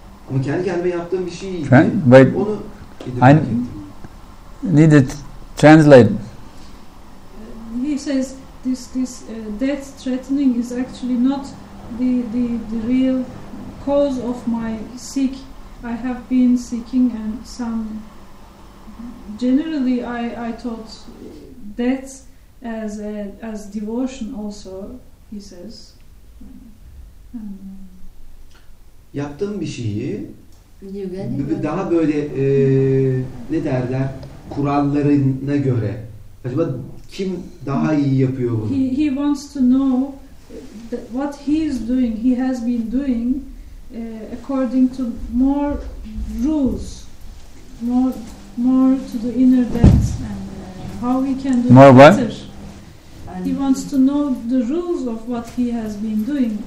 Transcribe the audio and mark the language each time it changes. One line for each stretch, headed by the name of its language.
Turkish: Ama kendi kendime yaptığım bir şey onu idrak ettim.
English: Need to translate. He says this death threatening is actually not the real cause of my sick. I have been seeking and some generally I thought death as devotion also, he says.
Turkish: Yaptığım bir şeyi daha böyle ne derler kurallarına göre acaba kim daha iyi yapıyor bunu?
English: He wants to know what he is doing, he has been doing according to more rules, more to the inner depth and how he can do more it what? Better. And he wants to know the rules of what he has been doing.